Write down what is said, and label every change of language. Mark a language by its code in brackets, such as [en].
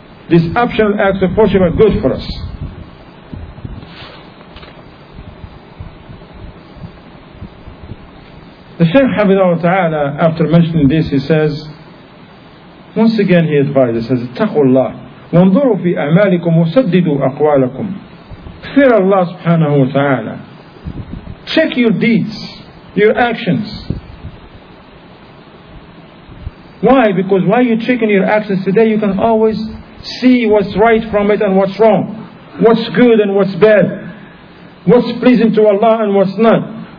[en] These optional acts of fortune are good for us. The Shaykh Hafidhahu Ta'ala, after mentioning this, he says, once again he advises, says, Taqullah. [ar] وانظروا في أعمالكم وسددوا أقوالكم. [en] Fear Allah subhanahu wa ta'ala. Check your deeds, your actions. Why? Because while you're checking your actions today, you can always see what's right from it and what's wrong. What's good and what's bad. What's pleasing to Allah and what's not.